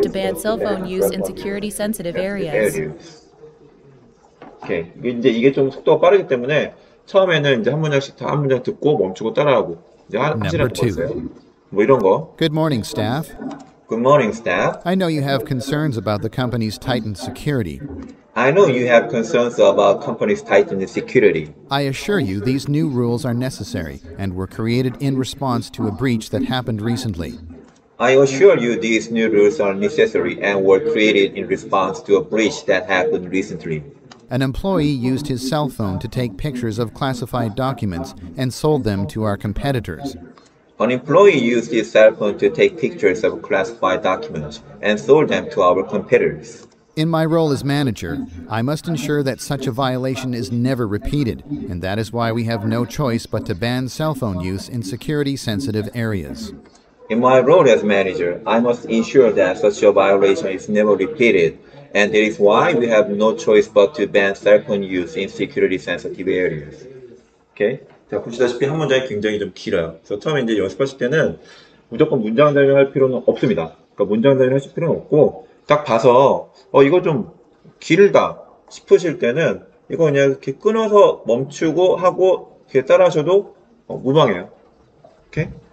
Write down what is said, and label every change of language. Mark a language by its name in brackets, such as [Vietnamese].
[English] I know you have concerns about the company's tightened security. I assure you these new rules are necessary and were created in response to a breach that happened recently. An employee used his cell phone to take pictures of classified documents and sold them to our competitors. In my role as manager, I must ensure that such a violation is never repeated, and that is why we have no choice but to ban cell phone use in security-sensitive areas. Okay. [Korean] 이제 이게 좀 속도가 빠르기 때문에 처음에는 이제 한 문장씩 다 한 문장 듣고 멈추고 따라하고 이제 하시라고 봤어요. 뭐 이런 거. [English] Good morning, staff. Good morning, staff. I know you have concerns about the company's tightened security. I know you have concerns about company's tightened security. I assure you these new rules are necessary and were created in response to a breach that happened recently. I assure you these new rules are necessary and were created in response to a breach that happened recently. An employee used his cell phone to take pictures of classified documents and sold them to our competitors. An employee used his cell phone to take pictures of classified documents and sold them to our competitors. In my role as manager, I must ensure that such a violation is never repeated, and that is why we have no choice but to ban cell phone use in security-sensitive areas. In my role as manager, I must ensure that such a violation is never repeated, and that is why we have no choice but to ban cell phone use in security-sensitive areas. Okay? [Korean] 자, 보시다시피 한 문장이 굉장히 좀 길어요. 그래서 처음에 이제 연습하실 때는 무조건 문장 단위를 할 필요는 없습니다. 그러니까 문장 단위를 하실 필요는 없고, 딱 봐서, 이거 좀 길다 싶으실 때는, 이거 그냥 이렇게 끊어서 멈추고 하고, 이렇게 따라 하셔도, 무방해요. 오케이?